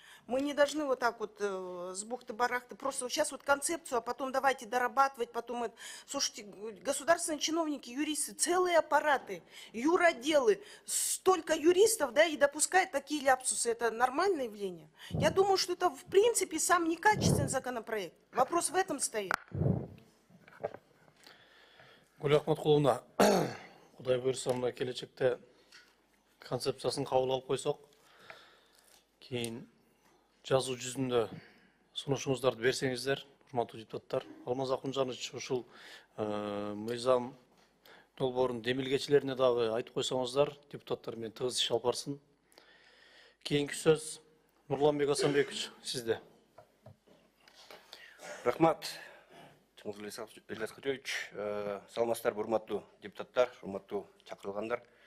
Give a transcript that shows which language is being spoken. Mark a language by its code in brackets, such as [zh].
[ru] Мы не должны вот так вот с бухты-барахты, просто сейчас вот концепцию, а потом давайте дорабатывать, потом это. Слушайте, государственные чиновники, юристы, целые аппараты, юроделы, столько юристов, да, и допускают такие ляпсусы, это нормальное явление? Я думаю, что это в принципе сам некачественный законопроект. Вопрос в этом стоит. [ky] Гуля Ахматкуловна, Кудай бұйырса, мына келечекте концепциясын қабыл алып қойсок, кейін жазу жүзінде сұнышыңыздарды берсеңіздер, құрметті депутаттар. Алмаз Ақынжанович, ушул мыйзам долбоорунун демилгечилерине дагы айтып койсоңуздар, депутаттар менен тыгыз иш алып барсын. Кийинки сөз Нурланбек Асанбекович, сизде. Рахмат, саламатсыздарбы, урматтуу депутаттар, урматтуу чакырылгандар.